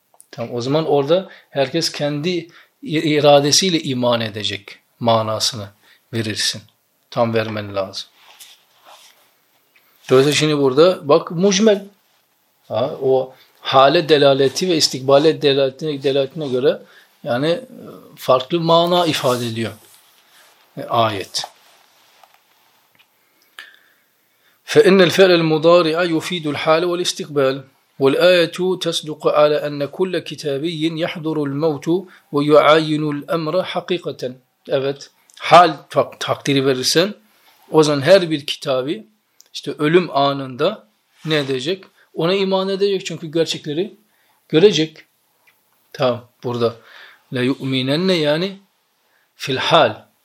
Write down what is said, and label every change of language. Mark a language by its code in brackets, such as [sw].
[tr] Tamam, o zaman orada herkes kendi iradesiyle iman edecek manasını verirsin. Tam vermen lazım. Dolayısıyla şimdi burada bak mucmel. Ha, o hale delaleti ve istikbale delaletine göre yani farklı mana ifade ediyor ayet. [ar] فَاِنَّ الْفَعْلَ الْمُضَارِعَ يُف۪يدُ الْحَالَ وَالْاِسْتِقْبَالِ والآية تصدق على أن كل كتابي يحضر الموت ويعاين الأمر حقيقة. [tr] Evet, hal takdiri verirsen o zaman her bir kitabı işte ölüm anında ne edecek? Ona iman edecek çünkü gerçekleri görecek. Tamam, burada la yu'minenne yani fil hal.